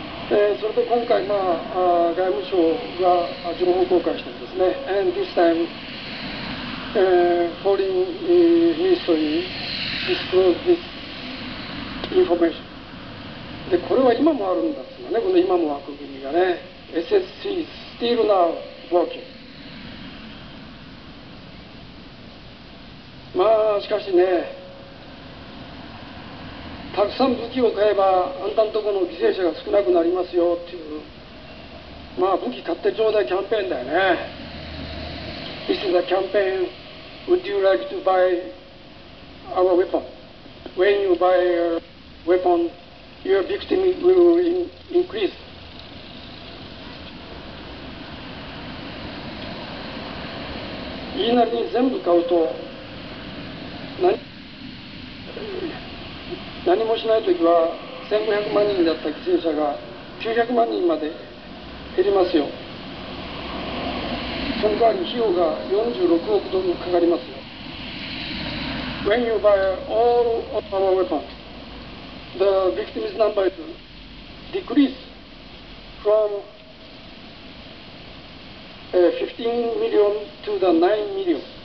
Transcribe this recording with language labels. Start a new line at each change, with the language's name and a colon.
Japanese: それで今回、まあ、外務省が情報公開したんですね。
English: And this time, Foreign Ministry disclosed this information.
Japanese: で、これは今もあるんだっていうのね、この今も枠組みがね。
English: SSC is still now working.
Japanese: まあ、しかしね、たくさん武器を買えばあんたんとこの犠牲者が少なくなりますよっていう、まあ武器買ってちょうだいキャンペーンだよね。
English: This is a campaign. Would you like to buy our weapon? When you buy a weapon, your victim will increase.
Japanese: いいなりに全部買うと何もしないときは1500万人だった犠牲者が900万人まで減りますよ。その代わり費用が46億ドルかかりますよ。
English: When you buy all of our weapons, the victims numbers decrease from 15 million to the 9 million.